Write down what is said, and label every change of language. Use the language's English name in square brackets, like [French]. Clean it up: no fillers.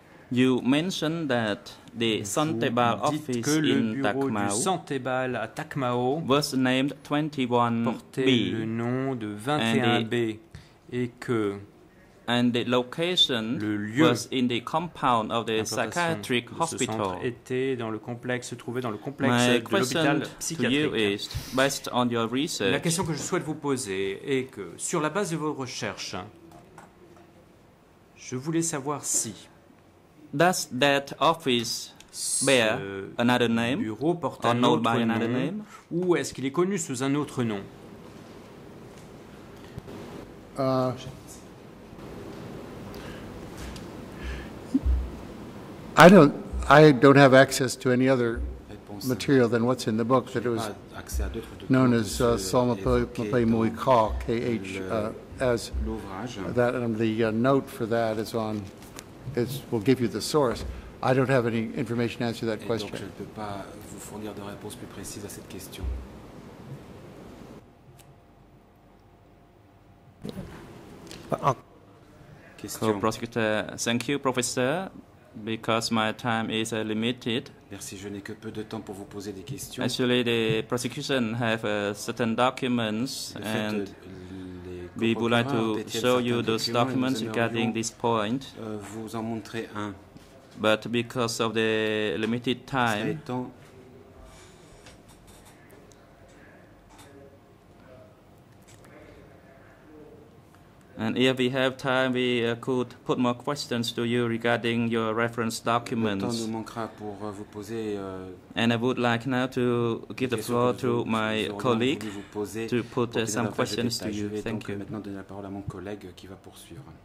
[English] you mentioned that the Santebal office in Takmao, [French] Santebal à Takmao [English] was named 21B, [French] le nom de 21B, et que [English] and the location was in the compound of the psychiatric hospital. [French] Était dans le complexe, se trouvait dans le complexe de l'hôpital psychiatrique. [English] Is, based on your research, [French] la question que je souhaite vous poser est que, sur la base de vos recherches, je voulais savoir si [English] does that office bear another name, [French] bureau porte un autre [English] by another [French] nom, [English] name? [French] Ou est-ce qu'il est connu sous un autre nom? [English] I don't have access to any other material than what's in the book, that it was known as Salmapay Muikaw, K-H, as that, and the note for that is on, it will give you the source. I don't have any information to answer that question. [French] Donc je ne peux pas vous fournir de réponse plus précise à cette question. [English] Question. Prosecutor, thank you, Professor, because my time is limited. [French] Merci, je n'ai que peu de temps pour vous poser des questions. [English] Actually, the prosecution have certain documents and we would like to show you those documents regarding this point. [French] Vous en montrer un. [English] But because of the limited time, and if we have time, we could put more questions to you regarding your reference documents. [French] Le temps nous manquera pour vous poser, [English] and I would like now to give the floor to my colleague to put some questions to you. Thank you. [French] Maintenant donner la parole à mon collègue qui va poursuivre.